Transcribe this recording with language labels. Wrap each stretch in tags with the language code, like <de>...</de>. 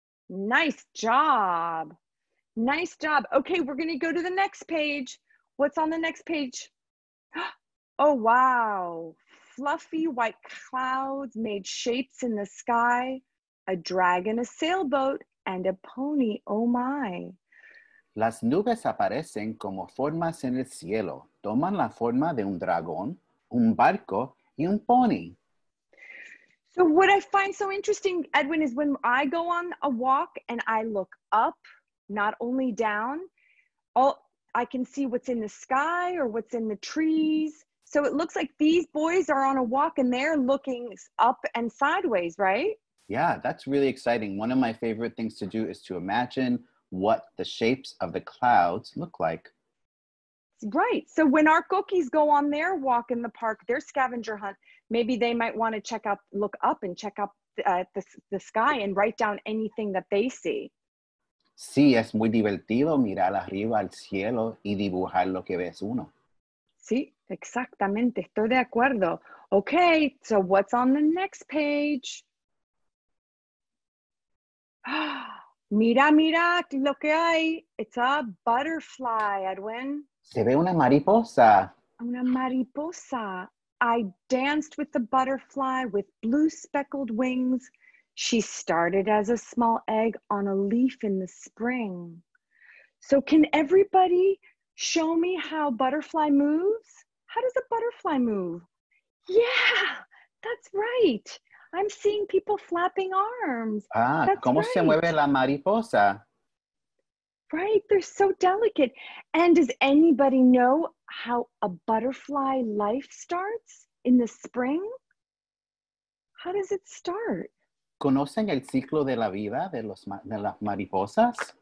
<en>Nice job. Nice job. Okay, we're going to go to the next page. What's on the next page? Oh, wow. Fluffy white clouds made shapes in the sky. A dragon, a sailboat, and a pony. Oh, my.</en> <es>Las nubes aparecen como formas en el cielo. Toman la forma de un dragón, un barco, y un pony.</es> <en>So what I find so interesting, Edwin, is when I go on a walk and I look up, not only down, all I can see what's in the sky or what's in the trees. So it looks like these boys are on a walk and they're looking up and sideways, right? Yeah, that's really exciting. One of my favorite things to do is to imagine what the shapes of the clouds look like. Right. So when our coquís go on their walk in the park, their scavenger hunt, maybe they might want to check up, look up and check up the sky and write down anything that they see.</en> <es>Sí, es muy divertido mirar arriba al cielo y dibujar lo que ves uno.</es> <en>Sí, exactamente. Estoy de acuerdo. Okay, so what's on the next page?</en> <es>Mira, mira lo que hay. It's a butterfly, Edwin. Se ve una mariposa. Una mariposa.</es> <en>I danced with the butterfly with blue speckled wings. She started as a small egg on a leaf in the spring. So can everybody show me how butterfly moves? How does a butterfly move? Yeah, that's right. I'm seeing people flapping arms. Ah, that's</en> <es>¿cómo</es> <en>right.</en> <es>se mueve la mariposa?</es> <en>Right, they're so delicate. And does anybody know how a butterfly life starts in the spring? How does it start?</en> <es>¿Conocen el ciclo de la vida de los de las mariposas?</es>